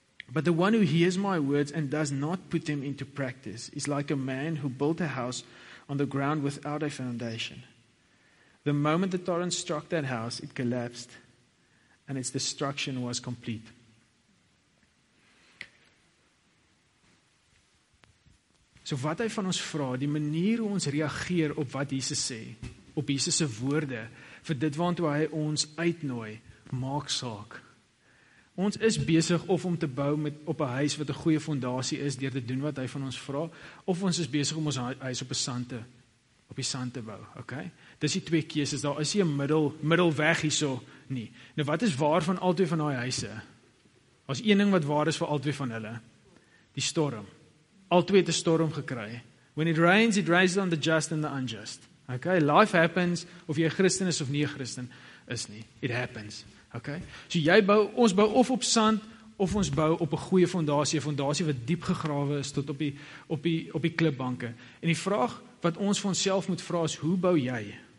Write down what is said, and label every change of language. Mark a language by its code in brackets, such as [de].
[en] But the one who hears my words and does not put them into practice is like a man who built a house on the ground without a foundation. The moment the torrent struck that house, it collapsed and its destruction was complete. [af] So wat hy van ons vra, die manier hoe ons reageer op wat Jesus sê, op Jesus' woorde, vir dit waartoe hy ons uitnooi, maak saak. Ons is besig of om te bou met, op een huis wat een goeie fondatie is, deur te doen wat hy van ons vra, of ons is besig om ons huis op die sand te bou. Okay? Dis die twee keuses, daar is die middelweg hierso nie. Nou wat is waar van al twee van die huise? As een ding wat waar is vir al twee van hulle, die storm. Al twee het die storm gekry. [en] When it rains on the just and the unjust. Okay, life happens, [af] of jy Christen is of nie Christen is nie. [en] It happens. [af] Okay, so jy bou, ons bou of op sand, of ons bou op 'n goeie fondasie, 'n fondasie wat diep gegrawe is tot op die klipbanke. En die vraag wat ons vir onsself moet vra is, hoe bou jy?